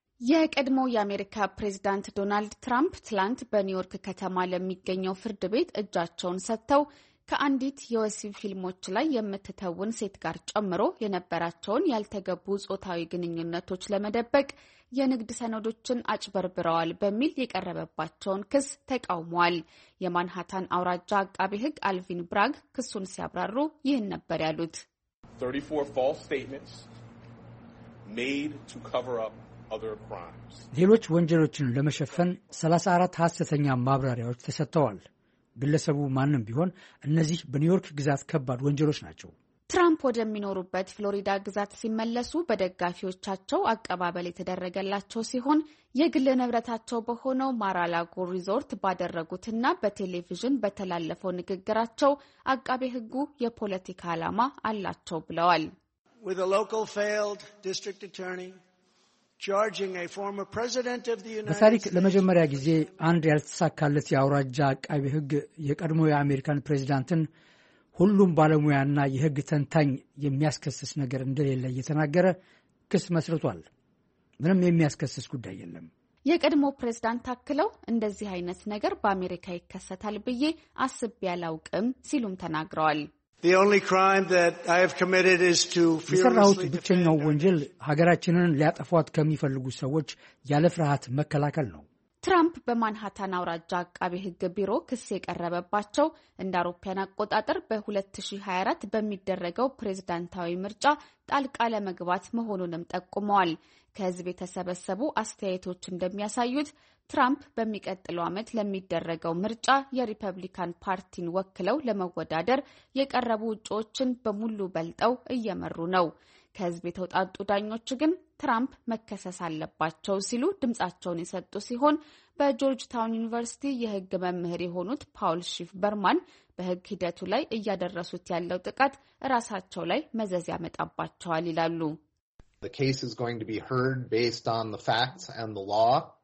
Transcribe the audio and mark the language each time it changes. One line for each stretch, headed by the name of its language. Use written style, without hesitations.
Amharic: የቀድሞው የአሜሪካ ፕሬዚዳንት ዶናልድ ትራምፕ ትላንት በኒውዮርክ ከተማ ለሚገኘው ፍርድ ቤት እጃቸውን ሰጥተው ከአንዲት የወሲብ ፊልሞች ላይ የምትተውን ሴት ጋር ጨምሮ የነበራቸውን ያልተገቡ ጾታዊ ግንኙነቶች ለመደበቅ የንግድ ሰነዶችን አጭበርብረዋል በሚል የቀረበባቸውን ክስ ተቃውመዋል። የማንሃታን አውራጃ አቃቢ ሕግ አልቪን ብራግ ክሱን ሲያብራሩ ይህን ነበር ያሉት።
English: 34 false statements made to cover up other crimes.
Amharic: ሌሎች ወንጀሎችን ለመሸፈን 34 ሐሰተኛ ማብራሪያዎች ተሰጥተዋል። ግለሰቡ ማንም ቢሆን እነዚህ በኒውዮርክ ግዛት ከባድ ወንጀሎች ናቸው። ትራምፕ ወደሚኖሩበት ፍሎሪዳ ግዛት ሲመለሱ በደጋፊዎቻቸው አቀባበል የተደረገላቸው ሲሆን የግል ንብረታቸው በሆነው ማራላጎ ሪዞርት ባደረጉትና በቴሌቪዥን በተላለፈው ንግግራቸው አቃቤ ሕጉ የፖለቲካ ዓላማ አላቸው ብለዋል።
English: With a local failed district attorney charging a former president of the United States.
Amharic: በታሪክ ለመጀመሪያ ጊዜ አንድ ያልተሳካለት የአውራጃ አቃቢ ሕግ የቀድሞ የአሜሪካን ፕሬዚዳንትን ሁሉም ባለሙያና የሕግ ተንታኝ የሚያስከስስ ነገር እንደሌለ እየተናገረ ክስ መስርቷል። ምንም የሚያስከስስ ጉዳይ የለም። የቀድሞ ፕሬዝዳንት አክለው እንደዚህ አይነት ነገር በአሜሪካ ይከሰታል ብዬ አስቤ ያላውቅም ሲሉም ተናግረዋል።
English: The only crime that I have committed is to fearlessly
Amharic: ብቸኛው ወንጀል ሀገራችንን ሊያጠፋት ከሚፈልጉ ሰዎች ያለፍርሃት መከላከል ነው። ትራምፕ በማንሃታን አውራጃ አቃቢ ሕግ ቢሮ ክስ የቀረበባቸው እንደ አውሮፓውያን አቆጣጠር በ2024 በሚደረገው ፕሬዝዳንታዊ ምርጫ ጣልቃ ለመግባት መሆኑንም ጠቁመዋል። ከህዝብ የተሰበሰቡ አስተያየቶች እንደሚያሳዩት ትራምፕ በሚቀጥለው ዓመት ለሚደረገው ምርጫ የሪፐብሊካን ፓርቲን ወክለው ለመወዳደር የቀረቡ እጩዎችን በሙሉ በልጠው እየመሩ ነው። ከህዝብ የተውጣጡ ዳኞች ግን ትራምፕ መከሰስ አለባቸው ሲሉ ድምጻቸውን የሰጡ ሲሆን፣ በጆርጅ ታውን ዩኒቨርሲቲ የህግ መምህር የሆኑት ፓውል ሺፍ በርማን በህግ ሂደቱ ላይ እያደረሱት ያለው ጥቃት ራሳቸው ላይ መዘዝ ያመጣባቸዋል ይላሉ።
English: The case is going to be heard based on the facts and the law.